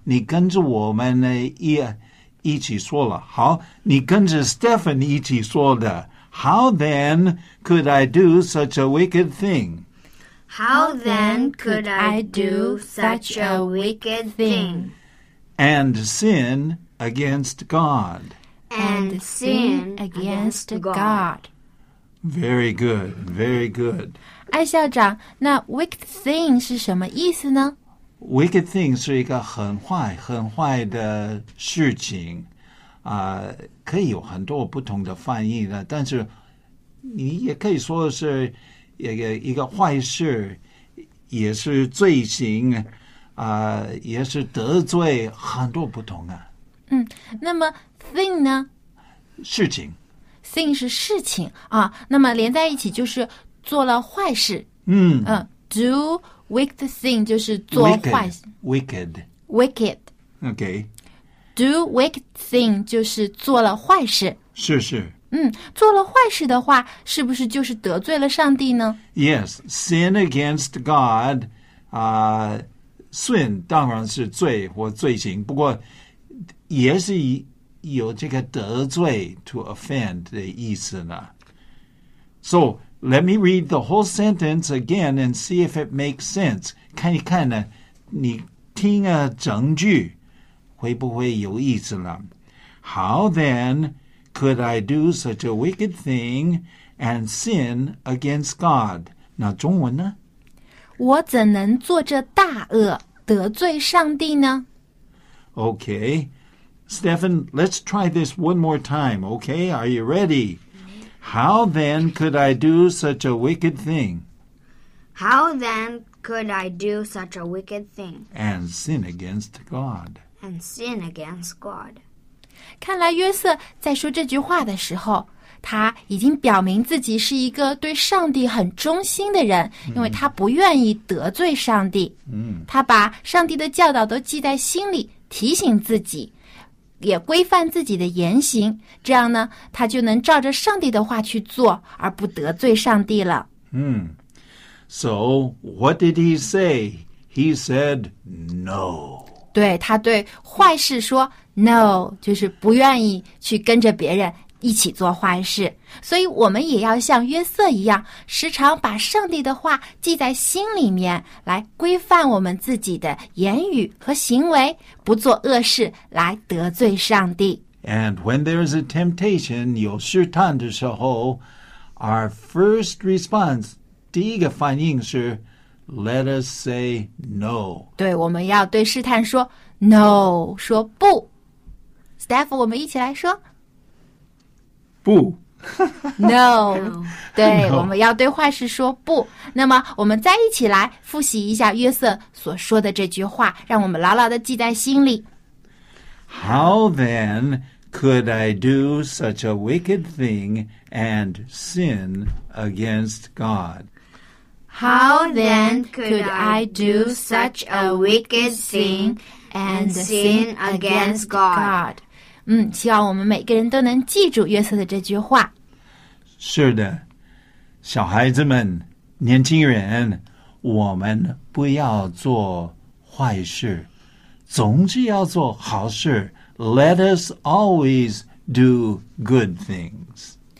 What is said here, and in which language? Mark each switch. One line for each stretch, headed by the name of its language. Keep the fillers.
Chinese: 你跟着我们呢一一起说了。好，你跟着 Stephen 一起说的。
English: how then could I do such a wicked thing? How then could I do such a wicked thing? And sin against God. And sin against God. Very good, very good.
Chinese: 艾校长,那 wicked thing 是什么意思呢? Wicked thing 是一个很坏,很坏的事情。啊、呃，可以有很多不同的翻译的，但是你也可以说是一个一个坏事，也是罪行，啊、呃，也是得罪很多不同啊。嗯，那么 thing 呢？事情。 thing 是事情啊，那么连在一起就是做了坏事。嗯嗯、 uh,，
English: do wicked thing
Chinese: 就是做坏事。
English: wicked，wicked，OK、okay.。 do wicked thing
Chinese: 就是做了坏事。是是。嗯，做了坏事的话，是不是就是得罪了上帝呢？
English: Yes, sin against God，
Chinese: 啊、uh,，sin 当然是罪或罪行，不过也是有这个得罪
English: to offend
Chinese: 的意思呢。
English: So let me read the whole sentence again and see if it makes sense。
Chinese: 看一看呢，你听啊，整句。会不会有意思呢？
English: How then could I do such a wicked thing and sin against God？
Chinese: 那中文呢？我怎能做这大恶，得罪上帝呢
English: ？Okay. Stephen, let's try this one more time, okay? Are you ready? How then could I do such a wicked thing? How then could I do such a wicked thing? And sin against God and sin against God.
Chinese: 看来约瑟在说这句话的时候，他已经表明自己是一个对上帝很忠心的人，因为他不愿意得罪上帝。嗯，他把上帝的教导都记在心里，提醒自己，也规范自己的言行。这样呢，他就能照着上帝的话去做，而不得罪上帝了。
English: 嗯，So what did he say? He said no.
Chinese: 对他对坏事说 no，就是不愿意去跟着别人一起做坏事。所以，我们也要像约瑟一样，时常把上帝的话记在心里面，来规范我们自己的言语和行为，不做恶事，来得罪上帝。
English: And when there is a temptation，to s
Chinese: 的时候，
English: Our first response，
Chinese: 第一个反应是。
English: Let us say no.
Chinese: 对，我们要对试探说 no，说不。 Staff，我们一起来说。不。no, no，对，no. 我们要对坏事说不。那么，我们再一起来复习一下约瑟所说的这句话，让我们牢牢的记在心里。
English: How then could I do such a wicked thing and sin against God？ how then could I do such a wicked thing and sin against God? God？
Chinese: 嗯，希望我们每个人都能记住约瑟的这句话。是的，小孩子们、年轻人，我们不要做坏事，总是要做好事。
English: Let us always do good things。